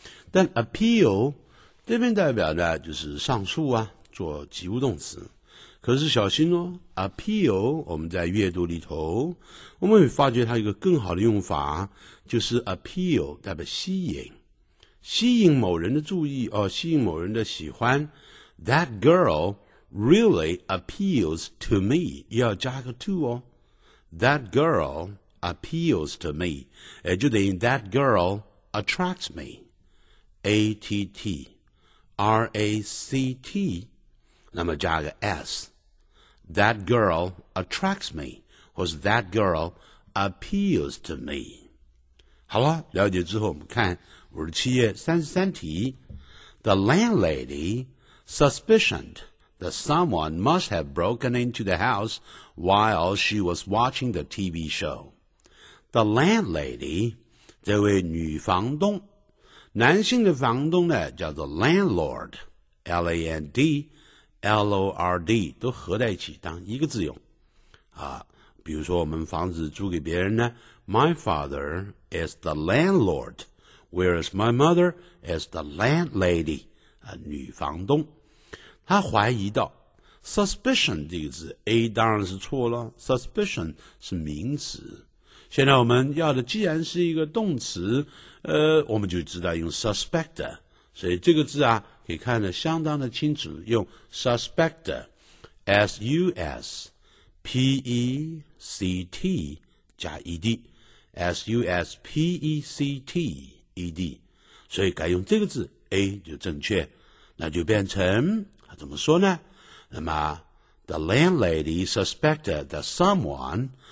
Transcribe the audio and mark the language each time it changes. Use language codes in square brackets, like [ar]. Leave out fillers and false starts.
[zh] 但 appeal 这边代表的就是上诉啊，做及物动词。可是小心哦 ，appeal 我们在阅读里头，我们会发觉它有一个更好的用法，就是 appeal 代表吸引。吸引某人的注意，哦，吸引某人的喜欢。 [en] That girl really appeals to me. [zh] 要加个 [en] to 哦。That girl appeals to me. [zh] 也就等于 [en] that girl attracts me. A-T-T-R-A-C-T. [zh] 那么加个 [en] S. That girl attracts me. 或是 that girl appeals to me. [zh] 好了，了解之后我们看57页33题。 [en] The landlady suspicioned that someone must have broken into the house while she was watching the TV show. [zh] The landlady, 这位女房东，男性的房东呢叫做 landlord, L-A-N-D, L-O-R-D, 都合在一起当一个字用。啊，比如说我们房子租给别人呢， [en] My father is the landlord. Whereas my mother is the landlady, [zh] 啊，女房东。她怀疑到 suspicion 这个字 ,A 当然是错了， suspicion 是名词。现在我们要的既然是一个动词，我们就知道用 suspect, 所以这个字啊可以看得相当的清楚，用 suspect, S-U-S-P-E-C-T 加 ED, S-U-S-P-E-C-T,ED， 所以改用这个字 A 就正确，那就变成怎么说呢？那么 [en] The landlady suspected that someone